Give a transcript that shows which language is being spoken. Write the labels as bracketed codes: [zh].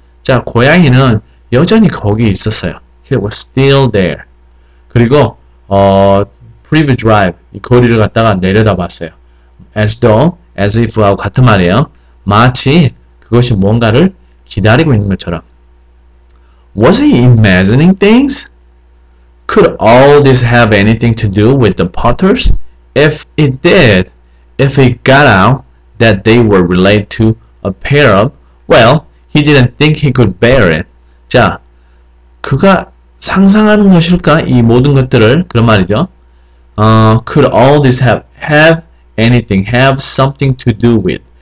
[ko] 자, 고양이는 여전히 거기 있었어요. [en] It was still there. [ko] 그리고 Privet Drive 이 거리를 갔다가 내려다봤어요. As though, as if하고 같은 말이에요. 마치 그것이 뭔가를 기다리고 있는 것처럼. [en] Was he imagining things? Could all this have anything to do with the Potters? If it did, if it got out that they were related to a pair of, well, he didn't think he could bear it. [ko] 자, 그가 상상하는 것일까? 이 모든 것들을, 그런 말이죠. [en] Could all this have anything, have something to do with?